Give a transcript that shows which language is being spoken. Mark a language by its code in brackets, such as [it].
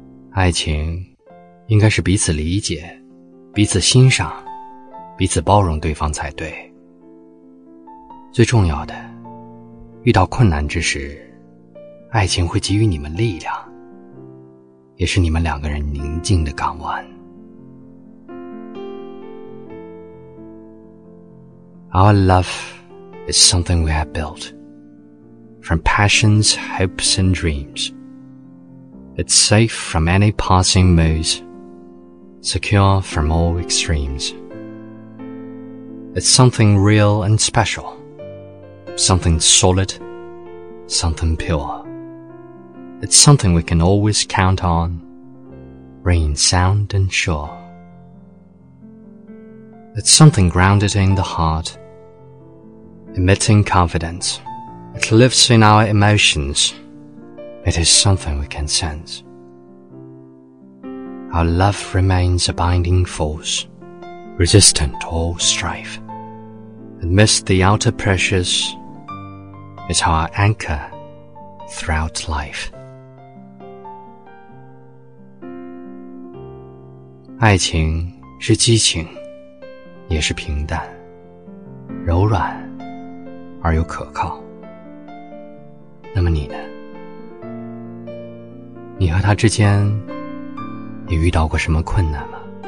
[zh] 爱情应该是彼此理解、彼此欣赏、彼此包容对方才对。最重要的，遇到困难之时，爱情会给予你们力量，也是你们两个人宁静的港湾。 [en] Our love is something we have built from passions, hopes, and dreams. It's safe from any passing moods, secure from all extremes. It's something real and special, something solid, something pure. It's something we can always count on, ring sound and sure. It's something grounded in the heart,Emitting confidence, it lives in our emotions, it is something we can sense. Our love remains a binding force, resistant to all strife. Amidst the outer pressures, it's our anchor throughout life. [zh] 爱情是激情，也是平淡，柔软而又可靠。那么你呢？你和他之间也遇到过什么困难吗？